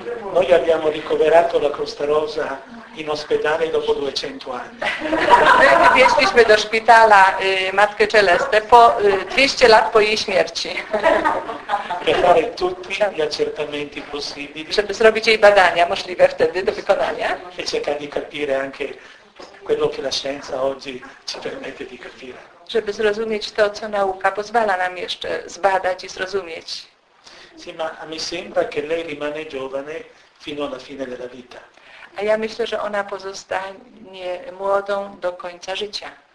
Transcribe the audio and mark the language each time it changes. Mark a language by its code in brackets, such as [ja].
[it] Noi abbiamo ricoverato la Costa Rosa in ospedale dopo 200 anni. [pl] Noi wieśliśmy do szpitala Matkę Celestę po 200 lat po jej śmierci. [it] Per fare tutti gli accertamenti possibili. [pl] Żeby zrobić jej badania możliwe wtedy do wykonania. [it] E cercare di capire anche quello che la scienza oggi ci permette di capire. [pl] Żeby zrozumieć to, co nauka pozwala nam jeszcze zbadać i zrozumieć. [it] Sì, ma a mi sembra che lei rimane giovane fino alla fine della vita. [pl] A ja myślę, że ona pozostanie młodą do końca życia.